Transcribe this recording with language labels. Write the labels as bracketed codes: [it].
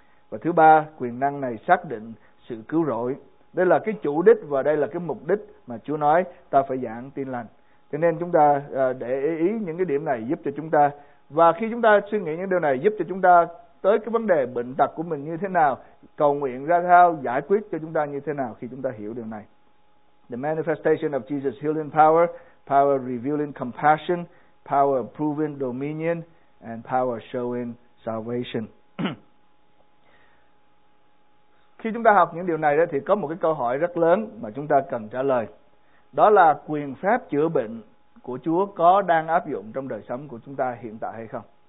[vi] Và thứ ba, quyền năng này xác định sự cứu rỗi. Đây là cái chủ đích và đây là cái mục đích mà Chúa nói ta phải giảng tin lành. Cho nên chúng ta để ý những cái điểm này giúp cho chúng ta. Và khi chúng ta suy nghĩ những điều này giúp cho chúng ta tới cái vấn đề bệnh tật của mình như thế nào, cầu nguyện ra sao, giải quyết cho chúng ta như thế nào khi chúng ta hiểu điều này. [en] The manifestation of Jesus' healing power, power revealing compassion, power proving dominion, and power showing salvation. [vi] Khi chúng ta học những điều này thì có một cái câu hỏi rất lớn mà chúng ta cần trả lời. Đó là quyền phép chữa bệnh của Chúa có đang áp dụng trong đời sống của chúng ta hiện tại hay không?